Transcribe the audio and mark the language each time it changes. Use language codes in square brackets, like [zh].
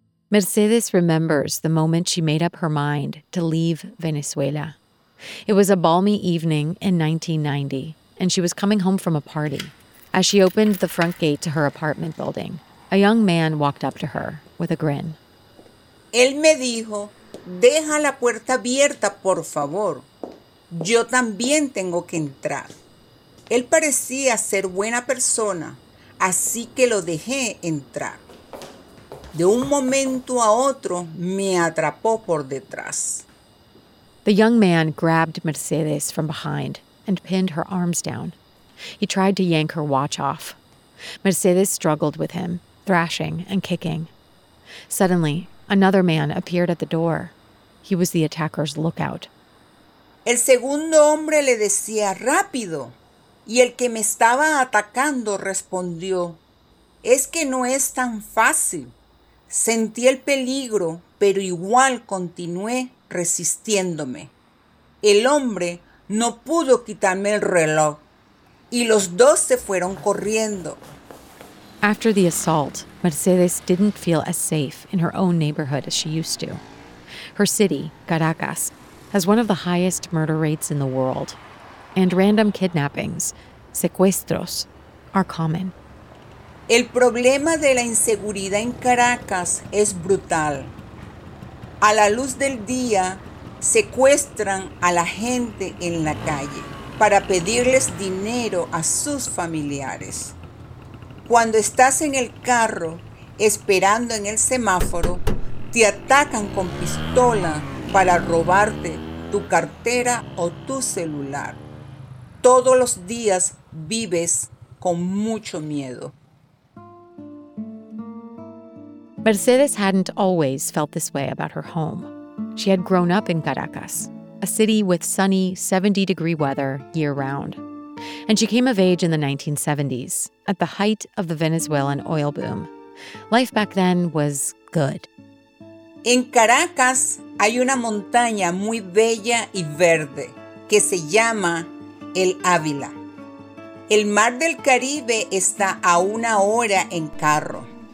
[en] Mercedes remembers the moment she made up her mind to leave Venezuela. It was a balmy evening in 1990, and she was coming home from a party. As she opened the front gate to her apartment building, a young man walked up to her with a grin. [es] Él me dijo, deja la puerta abierta, por favor. Yo también tengo que entrar. Él parecía ser buena persona, así que lo dejé entrar. De un momento a otro, me atrapó por detrás. [en] The young man grabbed Mercedes from behind and pinned her arms down. He tried to yank her watch off. Mercedes struggled with him, thrashing and kicking. Suddenly, another man appeared at the door. He was the attacker's lookout. [es] El segundo hombre le decía, rápido. Y el que me estaba atacando respondió, es que no es tan fácil. Sentí el peligro, pero igual continué resistiéndome. El hombre no pudo quitarme el reloj, y los dos se fueron corriendo. [en] After the assault, Mercedes didn't feel as safe in her own neighborhood as she used to. Her city, Caracas, has one of the highest murder rates in the world, and random kidnappings, secuestros, are common. [es] El problema de la inseguridad en Caracas es brutal. A la luz del día, secuestran a la gente en la calle para pedirles dinero a sus familiares. Cuando estás en el carro, esperando en el semáforo, te atacan con pistola para robarte tu cartera o tu celular. Todos los días vives con mucho miedo. [en] Mercedes hadn't always felt this way about her home. She had grown up in Caracas, a city with sunny, 70-degree weather year-round. And she came of age in the 1970s, at the height of the Venezuelan oil boom. Life back then was good. [es] En Caracas hay una montaña muy bella y verde que se llama El Ávila. El mar del Caribe está a una hora en carro.